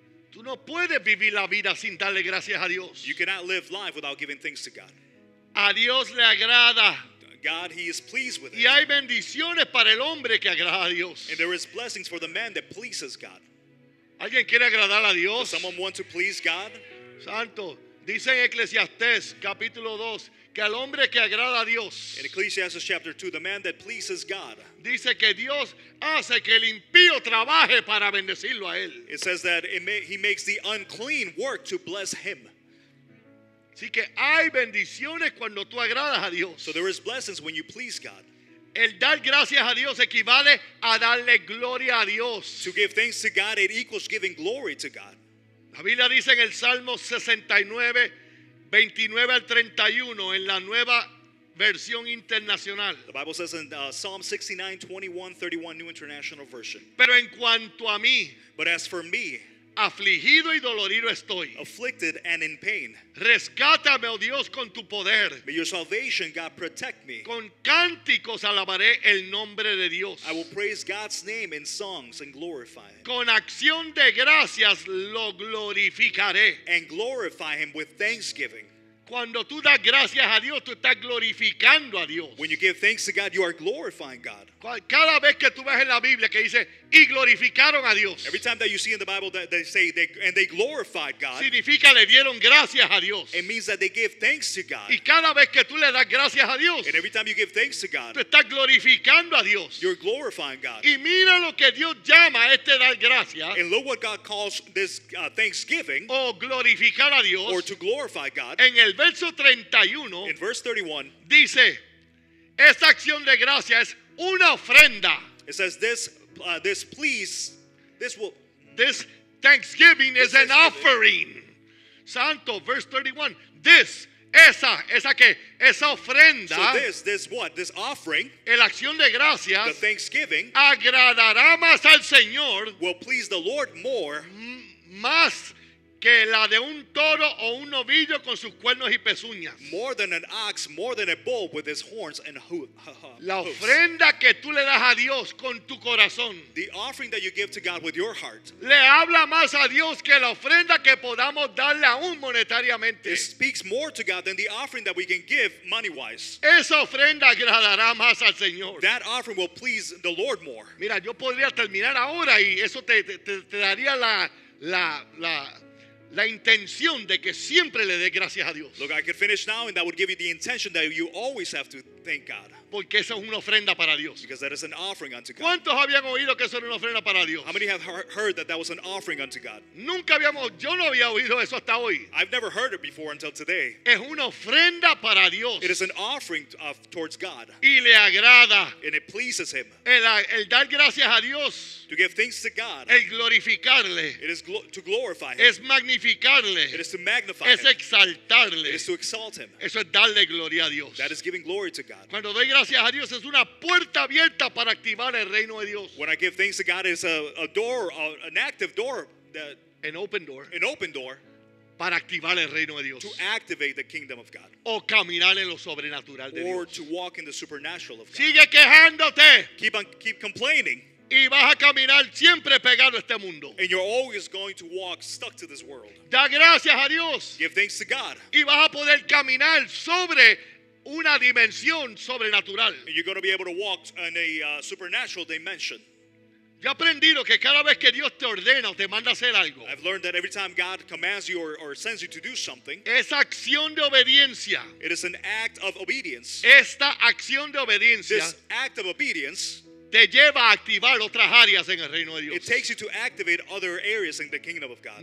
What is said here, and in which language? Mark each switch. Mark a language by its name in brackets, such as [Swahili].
[Spanish] Tú no puedes vivir la vida sin darle gracias a Dios. [English] You cannot live life without giving thanks to God. [Spanish] A Dios le agrada. [English] God, he is pleased with it. [Spanish] Y hay bendiciones para el hombre que agrada a Dios. [English] And there is blessings for the man that pleases God. [Spanish] ¿Alguien quiere agradar a Dios? [English] Does someone want to please God? [Spanish] Santo, dice en Eclesiastés capítulo 2 que al hombre que agrada a Dios. [English] In Ecclesiastes chapter 2, the man that pleases God. [Spanish] Dice que Dios hace que el impío trabaje para bendecirlo a él. [English] It says that he makes the unclean work to bless him. [Spanish] Así que hay bendiciones cuando tú agradas a Dios. [English] So there is blessings when you please God. [Spanish] El dar gracias a Dios equivale a darle gloria a Dios. [English] To give thanks to God, it equals giving glory to God. [Spanish] La Biblia dice en el Salmo 69, 29 al 31, en la nueva versión internacional. [English] The Bible says in Psalm 69, 21, 31, New International Version. [Spanish] Pero en cuanto a mí, [English] but as for me, [Spanish] afligido y dolorido estoy. [English] Afflicted and in pain. [Spanish] Rescátame, oh Dios, con tu poder. [English] May your salvation, God, protect me. [Spanish] Con cánticos alabaré el nombre de Dios. [English] I will praise God's name in songs and glorify him. [Spanish] Con acción de gracias lo glorificaré. [English] And glorify him with thanksgiving. [Spanish] Cuando tú das gracias a Dios, tú estás glorificando a Dios. [English] When you give thanks to God, you are glorifying God. [Spanish] Cada vez que tú ves en la Biblia que dice y glorificaron a Dios. [English] Every time that you see in the Bible that they say they, and they glorified God. [Spanish] Significa le dieron gracias a Dios. [English] It means that they give thanks to God. [Spanish] Y cada vez que tú le das gracias a Dios. [English] And every time you give thanks to God. [Spanish] Tú estás glorificando a Dios. [English] You're glorifying God. [Spanish] Y mira lo que Dios llama este dar gracias. [English] And look what God calls this thanksgiving. [Spanish] O glorificar a Dios. [English] Or to glorify God. [Spanish] En el verso 31. [English] In verse 31. [Spanish] Dice, esta acción de gracias es una ofrenda. [English] It says this this please this will this thanksgiving this is an thanksgiving. Offering. Santo, verse 31. This [Spanish] esa que esa ofrenda. [English] So this what? This offering. [Spanish] El acción de gracias. [English] The thanksgiving [Spanish] agradará más al Señor. [English] Will please the Lord more. [Spanish] Más que la de un toro o un novillo con sus cuernos y pezuñas. [English] More than an ox, more than a bull with his horns and hoofs. [Spanish] La ofrenda que tú le das a Dios con tu corazón. [English] The offering that you give to God with your heart. [Spanish] Le habla más a Dios que la ofrenda que podamos darle aún monetariamente. [English] It speaks more to God than the offering that we can give money-wise. [Spanish] Esa ofrenda agradará más al Señor. [English] That offering will please the Lord more. [Spanish] Mira, yo podría terminar ahora y eso te daría la intención de que siempre le dé gracias a Dios. [English] Look, I could finish now and that would give you the intention that you always have to thank God. [Spanish] Porque eso es una ofrenda para Dios. [English] Because that is an offering unto God. [Spanish] ¿Cuántos habían oído que eso era una ofrenda para Dios? [English] How many have heard that that was an offering unto God? [Spanish] Nunca habíamos, yo no había oído eso hasta hoy. [English] I've never heard it before until today. [Spanish] Es una ofrenda para Dios. [English] It is an offering towards God. [Spanish] Y le agrada. [English] And it pleases him. [Spanish] El dar gracias a Dios. [English] To give thanks to God. [Spanish] El glorificarle. [English] It is to glorify him. [Spanish] Es magnificarle. [English] It is to magnify [Spanish] es [English] him. [Spanish] Es exaltarle. [English] It is to exalt him. [Spanish] Eso es darle gloria a Dios. [English] That is giving glory to God. [Spanish] Cuando doy gracias a Dios es una puerta abierta para activar el reino de Dios. [English] When I give thanks to God is a door, an active door, an open door [Spanish] para activar el reino de Dios. [English] To activate the kingdom of God. [Spanish] O caminar en lo sobrenatural de Dios. [English] Or to walk in the supernatural of God. [Spanish] Sigue quejándote. [English] Keep complaining. [Spanish] Y vas a caminar siempre pegado a este mundo. [English] And you're always going to walk stuck to this world. [Spanish] Da gracias a Dios. [English] Give thanks to God. [Spanish] Y vas a poder caminar sobre una dimensión sobrenatural. [English] You're going to be able to walk in a supernatural dimension. [Spanish] Yo he aprendido que cada vez que Dios te ordena o te manda hacer algo, [English] I've learned that every time God commands you or sends you to do something, [Spanish] esa acción de obediencia, [English] it is an act of obedience. [Spanish] Esta acción de obediencia, [English] this act of obedience, [Spanish] te lleva a activar otras áreas en el reino de Dios. [English] It takes you to activate other areas in the kingdom of God.